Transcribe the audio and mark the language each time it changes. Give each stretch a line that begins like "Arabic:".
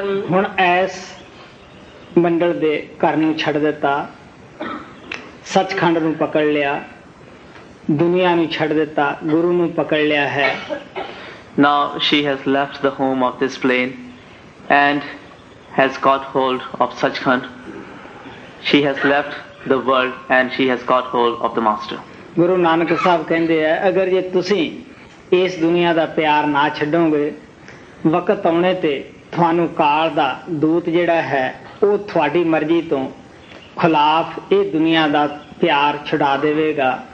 Punjabi: hun as ਮੰਡਲ ਦੇ ਘਰ ਨੂੰ ਛੱਡ ਦਿੱਤਾ, ਸੱਚਖੰਡ ਨੂੰ ਪਕੜ ਲਿਆ, ਦੁਨੀਆਂ ਨੂੰ ਛੱਡ ਦਿੱਤਾ, ਗੁਰੂ ਨੂੰ ਪਕੜ ਲਿਆ ਹੈ.
English: Now she has left the home of this plane and has got hold of Sachkhand. She has left the world and she has got hold of the master.
Punjabi: Guru Nanak Sahib ਕਹਿੰਦੇ ਆ, ਅਗਰ ਜੇ ਤੁਸੀਂ ਇਸ ਦੁਨੀਆਂ ਦਾ ਪਿਆਰ ਨਾ ਛੱਡੋਗੇ, ਵਕਤ ਆਉਣੇ 'ਤੇ ਤੁਹਾਨੂੰ ਕਾਲ ਦਾ ਦੂਤ ਜਿਹੜਾ ਹੈ ਉਹ ਤੁਹਾਡੀ ਮਰਜ਼ੀ ਤੋਂ ਖਿਲਾਫ ਇਹ ਦੁਨੀਆਂ ਦਾ ਪਿਆਰ ਛੁਡਾ ਦੇਵੇਗਾ.